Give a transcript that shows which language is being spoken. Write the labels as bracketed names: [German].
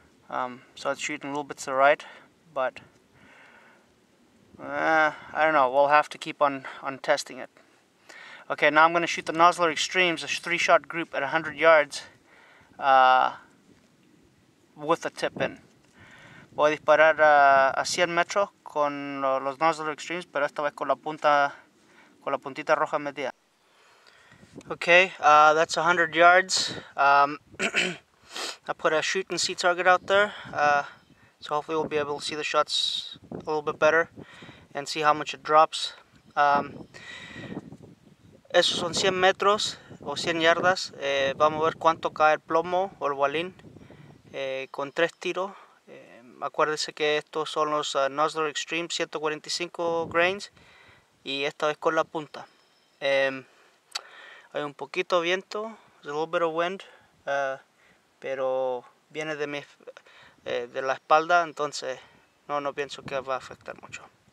[English] So it's shooting a little bit to the right, but I don't know, we'll have to keep on testing it. Okay, now I'm going to shoot the Nosler Extremes, a three-shot group at 100 yards with a tip in. [Spanish] Voy a disparar a 100 metros con los Nosler Extremes, pero esta vez con la punta, con la puntita roja media. [English] Okay, that's 100 yards. I put a shoot and see target out there. So hopefully we'll be able to see the shots a little bit better and see how much it drops. [Spanish] Esos son 100 metros o 100 yardas. Vamos a ver cuánto cae el plomo o el balín con tres tiros. Acuérdese que estos son los Nosler Extreme 145 grains y esta vez con la punta. Hay un poquito de viento, [English] a little bit of wind, [Spanish] pero viene de mi de la espalda, entonces no pienso que va a afectar mucho.